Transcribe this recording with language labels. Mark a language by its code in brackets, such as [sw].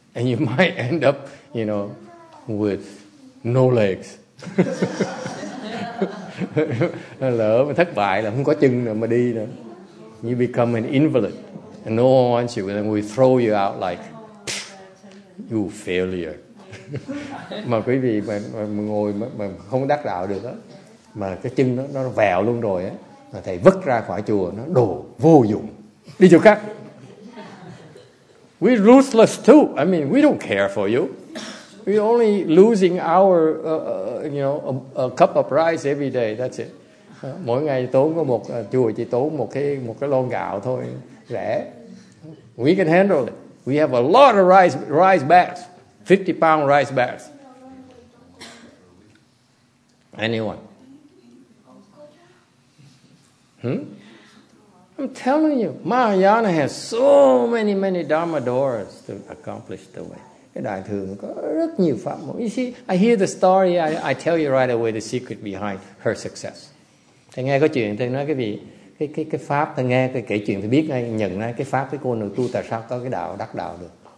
[en] And you might end up, you know, with no legs. [vi] Lỡ mà thất bại là không có chân nữa mà đi nữa. [en] You become an invalid. And no one wants you. And we throw you out like, you failure. [vi] Mà quý vị mà ngồi mà không đắc đạo được á, mà cái chân nó vẹo luôn rồi á, mà thầy vứt ra khỏi chùa, nó đồ vô dụng, đi chỗ khác. [en] We're ruthless too. I mean, we don't care for you. We're only losing our a cup of rice every day, that's it. [vi] Mỗi ngày tốn có một chùa chỉ tốn một cái lon gạo thôi, rẻ. [en] We can handle it. We have a lot of rice bags. 50-pound rice bags. Anyone? I'm telling you, Mahayana has so many, many Dharma doors to accomplish the way. [vi] Cái đại thừa có rất nhiều pháp môn. [en] You see, I hear the story, I tell you right away the secret behind her success. [vi] Thầy nghe có chuyện, thầy nói cái gì? Cái pháp, thầy nghe, thầy kể chuyện, thầy biết ngay, nhận ra cái pháp, cái cô nữ tu tại sao có cái đạo đắc đạo được.